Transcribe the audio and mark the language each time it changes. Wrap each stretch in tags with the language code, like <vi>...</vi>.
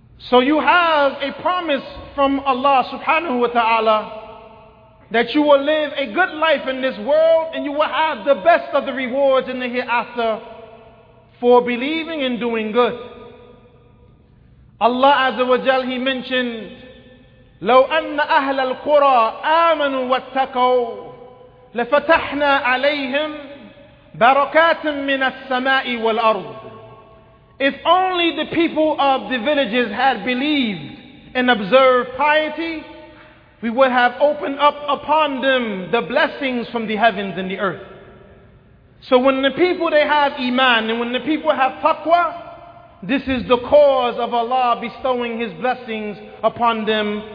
<en>So you have a promise from Allah subhanahu wa ta'ala that you will live a good life in this world and you will have the best of the rewards in the hereafter for believing and doing good.</en> <ar>Allah Azza wa Jal, He mentioned, لو أن أهل القرى آمنوا واتقوا لفتحنا عليهم بركات من السماء والأرض.</ar> <en>If only the people of the villages had believed and observed piety, we would have opened up upon them the blessings from the heavens and the earth. So when the people, they have iman, and when the people have taqwa, this is the cause of Allah bestowing His blessings upon them.</en>